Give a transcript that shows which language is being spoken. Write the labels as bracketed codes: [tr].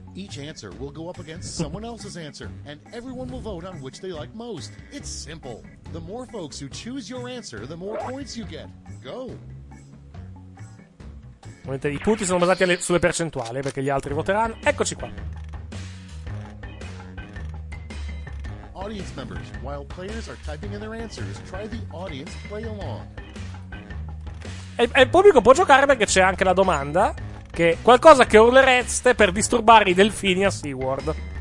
[en] Each answer will go up against someone else's answer, and everyone will vote on which they like most. It's simple. The more folks who choose your answer, the more points you get. Go. [it] Ovviamente i punti sono basati sulle percentuali, perché gli altri voteranno. Eccoci qua. [en] Audience members, while players are typing in their answers, try the audience play along. [it] E il pubblico può giocare perché c'è anche la domanda che qualcosa che urlereste per disturbare i delfini a SeaWorld.